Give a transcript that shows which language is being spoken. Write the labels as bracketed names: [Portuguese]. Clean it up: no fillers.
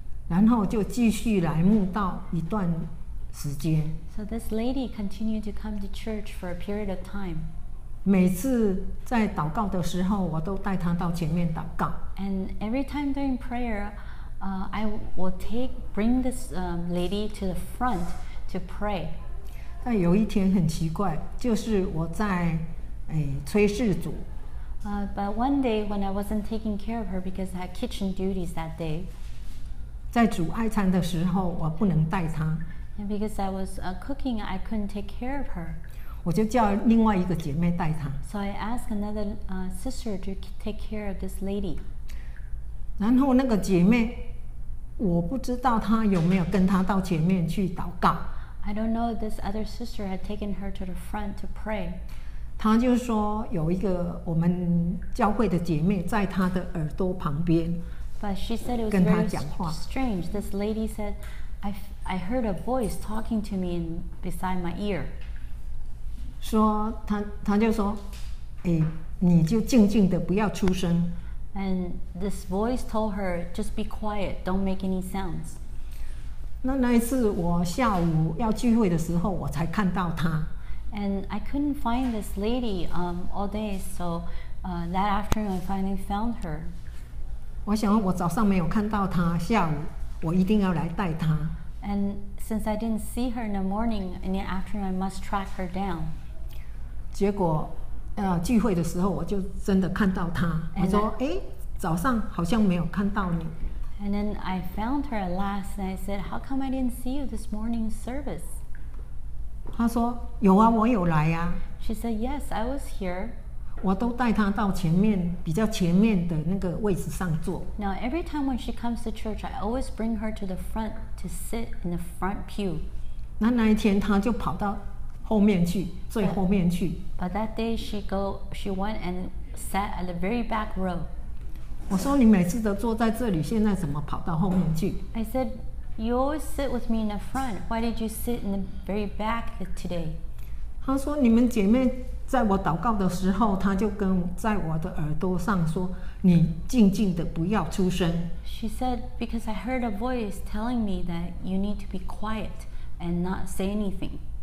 [Chinese] 然后就继续来慕道一段时间。 [English] So this lady continued to come to church for a period of time. [Chinese] 每次在祷告的时候，我都带她到前面祷告。 [English] And every time during prayer, I will bring this lady to the front to pray. [Chinese] 但有一天很奇怪，就是我在炊事组。 [English] But one day when I wasn't taking care of her because I had kitchen duties that day. [Chinese] 在煮爱餐的时候，我不能带她。 [English] And because I was cooking, I couldn't take care of her. [Chinese] 我就叫另外一个姐妹带她。 [English] So I asked another sister to take care of this lady. [Chinese] 然后那个姐妹，我不知道她有没有跟她到前面去祷告。 [English] I don't know if this other sister had taken her to the front to pray. [Chinese] 她就说有一个我们教会的姐妹在她的耳朵旁边。 [English] But she said it was very strange. This lady said, I heard a voice talking to me beside my ear. [Chinese] 说她就说，你就静静的不要出声。 [English] And this voice told her, just be quiet, don't make any sounds. [Chinese] 那一次我下午要聚会的时候我才看到她。 [English] And I couldn't find this lady all day, so that afternoon I finally found her. [Chinese] 我想我早上没有看到她，下午我一定要来带她。 [English] And since I didn't see her in the morning, in the afternoon I must track her down. [Chinese] 结果聚会的时候我就真的看到她，我说诶，早上好像没有看到你。 [English] And then I found her at last, and I said, how come I didn't see you this morning's service? [Chinese] 她说，有啊，我有来啊。 [English] She said, yes, I was here. [Chinese] 我都带她到前面，比较前面的那个位置上坐。 [English] Now, every time when she comes to church, I always bring her to the front to sit in the front pew. [Chinese] 那一天她就跑到后面去，最后面去。 [English] But that day she went and sat at the very back row. [Chinese] 我说你每次都坐在这里，现在怎么跑到后面去？ [English] I said, you always sit with me in the front. Why did you sit in the very back today? [Chinese] 她说你们姐妹在我祷告的时候，她就跟在我的耳朵上说，你静静的不要出声。 [English] She said, because I heard a voice telling me that you need to be quiet and not say anything.